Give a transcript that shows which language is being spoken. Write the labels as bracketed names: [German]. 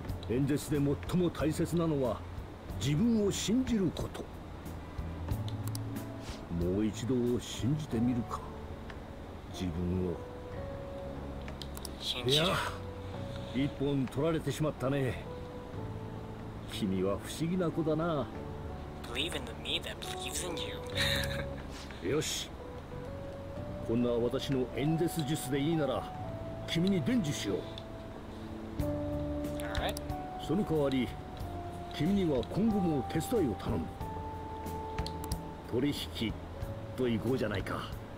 [Japanese] 演説で最も大切なのは自分を信じること。もう一度信じてみるか、自分を。いや、一本取られてしまったね。君は不思議な子だな。 [English] Believe in the me that believes in you. [Japanese] よし、こんな私の演説術でいいなら君に伝授しよう。その代わり、君には今後も手伝いを頼む。取引と行こうじゃないか。